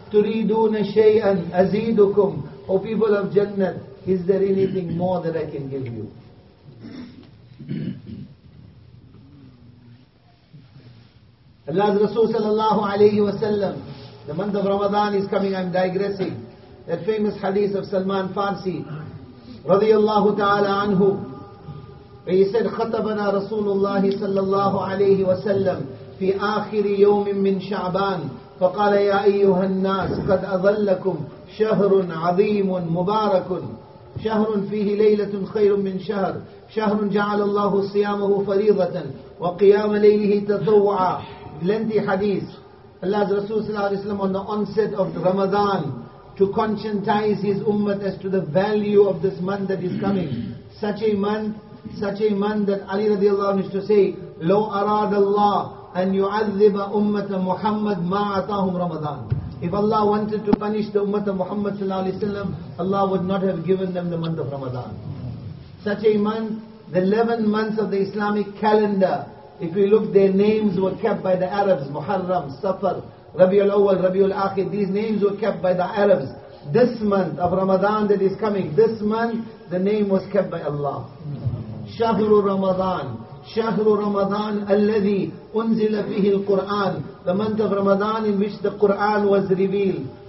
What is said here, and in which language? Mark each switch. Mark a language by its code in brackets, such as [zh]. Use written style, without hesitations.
[ar] تُرِيدُونَ شَيْئًا أَزِيدُكُمْ. [en] O people of Jannah, is there anything more that I can give you? Allah's Rasul sallallahu alayhi wa sallam, the month of Ramadan is coming, I'm digressing. That famous hadith of Salman Farsi, radiyallahu ta'ala anhu, where he said, [ar] خَطَبَنَا رَسُولُ اللَّهِ صَلَّى اللَّهُ عَلَيْهِ وَسَلَّمْ فِي آخِرِ يَوْمٍ مِّنْ شَعْبَانِ فَقَالَ يَا أَيُّهَا النَّاسِ قَدْ أَظَلَّكُمْ شَهْرٌ عَظِيمٌ مُبَارَكٌ شَهْرٌ فِيهِ لَيْلَةٌ خَيْرٌ مِّنْ شَهْرٍ شَهْرٌ جَعَلَ اللَّهُ صِيَامَهُ فَرِيضَةً وَقِيَامَ لَيْلِهِ تَطَوُّعًا. [en] Lengthy hadith. Allah's Rasul sallallahu alayhi wa sallam, on the onset of Ramadan, to conscientize his ummah as to the value of this month that is coming. Such a month that Ali radiallahu anhu used to say, [ar] لو أراد الله أن يعذب أمة محمد ما أعطاهم رمضان. [en] If Allah wanted to punish the Ummah of Muhammad sallallahu alaihi wasallam, Allah would not have given them the month of Ramadan. Such a month, the 11 months of the Islamic calendar, if we look, their names were kept by the Arabs: Muharram, Safar, Rabiul Awal, Rabiul Akhir. These names were kept by the Arabs. This month of Ramadan that is coming, this month, the name was kept by Allah. [ar] Shahru Ramadan. شهر رمضان الذي أنزل فيه القرآن. [en] The month of Ramadan in which the Quran was revealed.